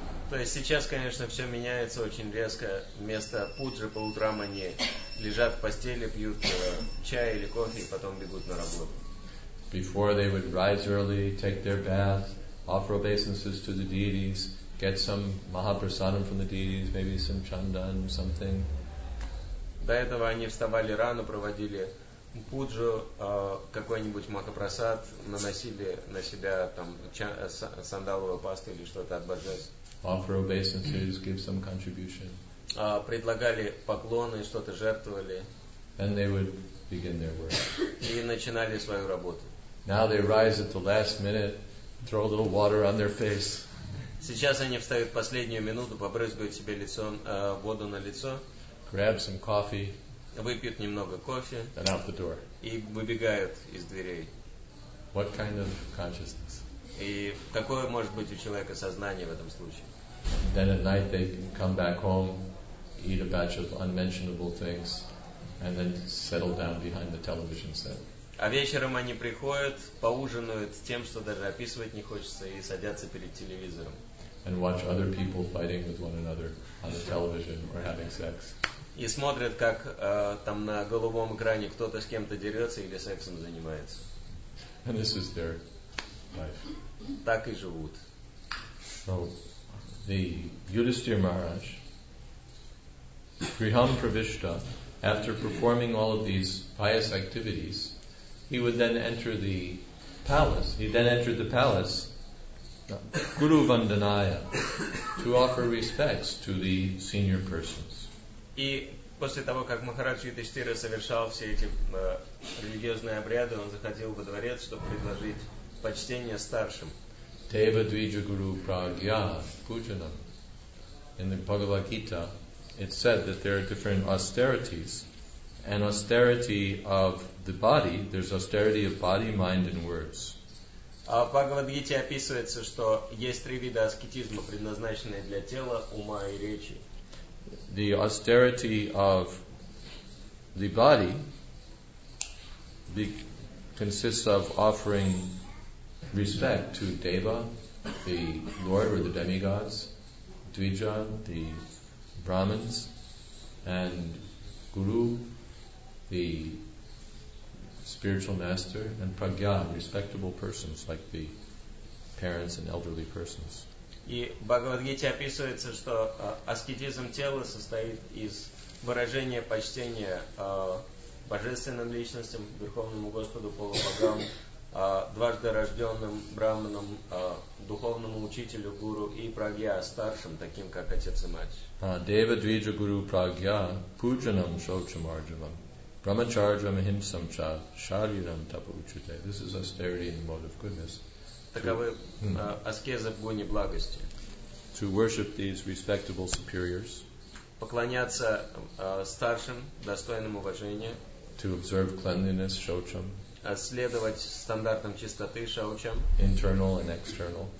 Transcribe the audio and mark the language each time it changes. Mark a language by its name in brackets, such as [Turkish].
[Russian] То есть сейчас, конечно, все меняется очень резко. Вместо пуджи по утрам они лежат в постели, пьют чай или кофе и потом бегут на работу. [English] Before they would rise early, take their bath, offer obeisances to the deities, get some mahaprasadam from the deities, maybe some chandan, something. [Russian] До этого они вставали рано, проводили пуджу, какой-нибудь махапрасад, наносили на себя там сандаловую пасту или что-то от баджас. [English] Offer obeisances, give some contribution. [Russian] Предлагали поклоны, что-то жертвовали. [English] Then they would begin their work. [Russian] И начинали свою работу. [English] Now they rise at the last minute, throw a little water on their face. [Russian] Сейчас они встают в последнюю минуту, побрызгают себе лицо, воду на лицо. [English] Grab some coffee. [Russian] Выпьют немного кофе. [English] And out the door. [Russian] И выбегают из дверей. [English] What kind of consciousness? [Russian] И какое может быть у человека сознание в этом случае? [English] Then at night they can come back home, eat a batch of unmentionable things, and then settle down behind the television set. [Russian] А вечером они приходят, поужинают тем, что даже описывать не хочется, и садятся перед телевизором. [English] And watch other people fighting with one another on the television or having sex. [Russian] И смотрят, как там на голубом экране кто-то с кем-то дерется или сексом занимается. [English] And this is their life. [Russian] Так и живут. [English] So, the Yudhisthira Maharaj, [Sanskrit] Griham Pravishta, [English] after performing all of these pious activities, he would then enter the palace. He then entered the palace, [Sanskrit] Guru Vandanaya, [English] to offer respects to the senior persons. [Russian] И после того, как Махарадж Юдхиштхира совершал все эти религиозные обряды, он заходил во дворец, чтобы предложить почтение старшим. [Sanskrit] Deva Dvija Guru Pragya Pujanam. [English] In the Bhagavad Gita, it said that there are different austerities. An austerity of the body, there's austerity of body, mind, and words. [Russian] В Бхагавад-гите описывается, что есть три вида аскетизма, предназначенные для тела, ума и речи. [English] The austerity of the body consists of offering respect to Deva, the Lord or the demigods, Dvija, the Brahmins, and Guru, the spiritual master, and pragya, respectable persons like the parents and elderly persons. [Russian] И в Бхагавад-гите описывается, что аскетизм тела состоит из выражения почтения божественным личностям, Верховному Господу, полубогам, дважды рожденным брахманам, духовному учителю, гуру и прагья, старшим, таким как отец и мать. [Sanskrit] Deva Dvija Guru Pragya Pujanam Shocham Arjavam. Brahmacharjam ahimsam cha shariram tapa uchute. [English] This is austerity in the mode of goodness. [Russian] Таковы аскеза в гуне благости. [English] To worship these respectable superiors. [Russian] Поклоняться старшим, достойным уважения. [English] To observe cleanliness, shocham. [Russian] следовать стандартам чистоты шаучам, [English] internal and external,